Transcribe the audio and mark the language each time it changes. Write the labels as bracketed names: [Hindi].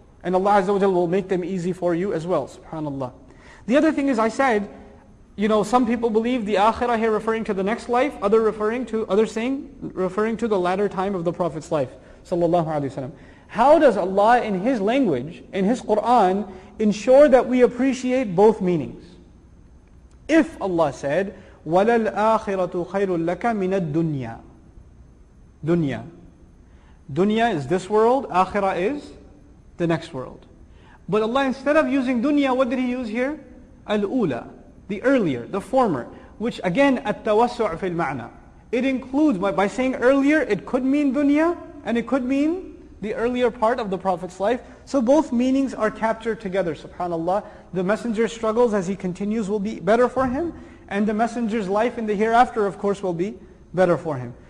[English] And Allah Azza wa Jalla will make them easy for you as well, subhanAllah. The other thing is, I said, You know, some people believe the akhirah here referring to the next life, others saying referring to the latter time of the Prophet's life, sallallahu alaihi wasallam. How does Allah in His language, in His Quran, ensure that we appreciate both meanings? If Allah said, [Arabic] وَلَلْ أَخِرَةُ خَيْرٌ لَكَ مِنَ الدُّنْيَا. Dunya. [English] Dunya is this world, akhirah is the next world. But Allah, instead of using dunya, what did He use here? Al-ula, the earlier, the former. Which again, [Arabic] التَّوَسُّعْ فِي الْمَعْنَى. [English] It includes, by saying earlier, it could mean dunya, and it could mean the earlier part of the Prophet's life. So both meanings are captured together, subhanAllah. The messenger's struggles as he continues will be better for him, and the messenger's life in the hereafter, of course, will be better for him.